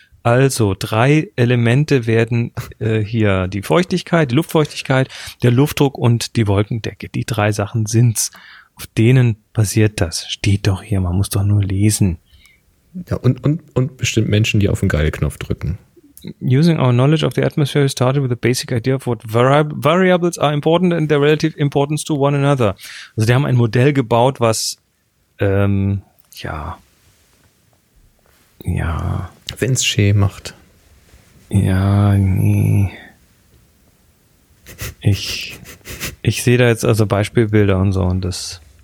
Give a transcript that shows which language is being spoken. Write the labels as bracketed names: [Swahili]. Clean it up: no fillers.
[German] Also drei Elemente werden hier die Feuchtigkeit, die Luftfeuchtigkeit, der Luftdruck und die Wolkendecke. Die drei Sachen sind's. Auf denen basiert das. Steht doch hier, man muss doch nur lesen. Ja, und bestimmt Menschen, die auf den Geilknopf drücken. [English] Using our knowledge of the atmosphere, we started with the basic idea of what variables are important and their relative importance to one another. [German] Also die haben ein Modell gebaut, was, ja. Wenn es Schee macht. Ja, nee. Ich sehe da jetzt also Beispielbilder und so und das.